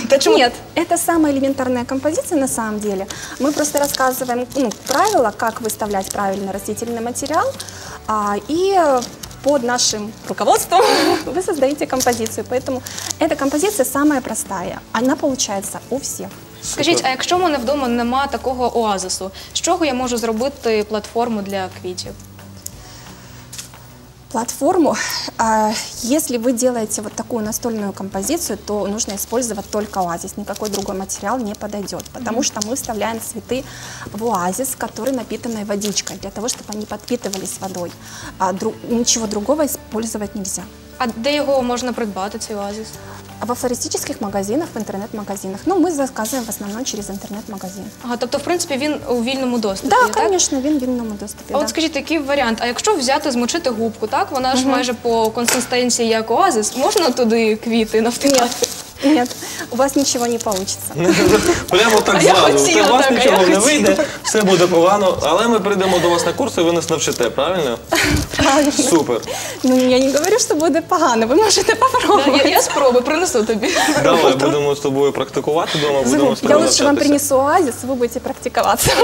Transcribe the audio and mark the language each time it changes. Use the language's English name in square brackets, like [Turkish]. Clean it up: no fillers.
[Ukrainian] Ні, це саме елементарна композиція, на самом деле. Ми просто розказуємо, ну, правила, як виставляти правильно рослинний матеріал, і під нашим руководством ви створюєте композицію. Тому ця композиція саме проста, вона виходить у всіх. Скажіть, а якщо в мене вдома нема такого оазису, з чого я можу зробити платформу для квітів? [Russian] Платформу, если вы делаете вот такую настольную композицию, то нужно использовать только оазис, никакой другой материал не подойдет, потому что мы вставляем цветы в оазис, который напитан водичкой, для того, чтобы они подпитывались водой, ничего другого использовать нельзя. А где его можно придбать, этот оазис? Во флористических магазинах, в интернет-магазинах. Ну, мы заказываем в основном через интернет-магазин. Ага, то есть, в принципе, он в вільному доступе, да? Так? Конечно, он в вільному доступе. А вот скажите, какой вариант? А если взять, измочить губку, так? [Ukrainian] Вона ж майже [Russian] по консистенции, как оазис, можно туда [Ukrainian] квіти навтикати? [Russian] Нет, у вас ничего не получится. [Ukrainian] Прямо так зразу. У вас нічого не вийде, все буде погано, але ми прийдемо до вас на курси, ви нас навчите, правильно? Правильно. Супер. Ну, я не говорю, що буде погано, ви можете попробувати. Я спробую, принесу тобі. Давай, будемо з тобою практикувати вдома, будемо спробувати навчатися. [Russian] Я лучше [Ukrainian] вам принесу оазис, ви будете практикуватися.